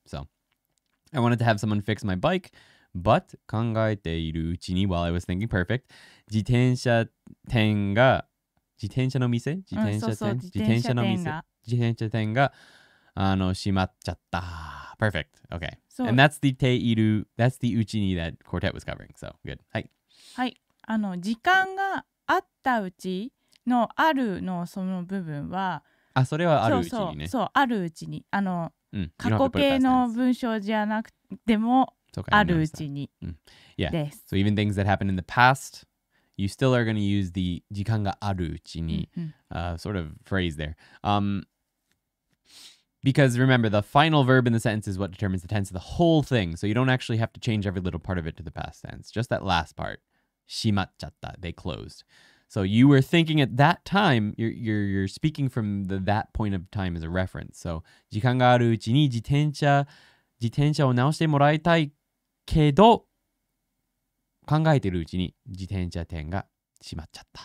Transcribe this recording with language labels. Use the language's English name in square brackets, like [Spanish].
[English] So I wanted to have someone fix my bike, but [Japanese] 考えているうちに [English] while I was thinking perfect, [Japanese] 自転車店が自転車の店自転車店、うん、そうそう自転車店が自転車店があの閉まっちゃった。 [English] Perfect. Okay. So, and that's the te iru, that's the uchi ni that Quartet was covering. So, good. Hi. [Japanese] Hi. あの、時間があったうちのあるのその部分は、あ、それはあるうちにね。そうそう、あるうちに、あの、過去形の文章じゃなくてもあるうちに、です。Yeah. [English] So even things that happened in the past, you still are going to use the [Japanese] 時間があるうちに、 [English] sort of phrase there. Because remember, the final verb in the sentence is what determines the tense of the whole thing. So you don't actually have to change every little part of it to the past tense. Just that last part. Shimatchatta. They closed. So you were thinking at that time, you're speaking from that point of time as a reference. [Japanese] So, 時間があるうちに自転車を直してもらいたいけど、考えてるうちに自転車店が閉まっちゃった。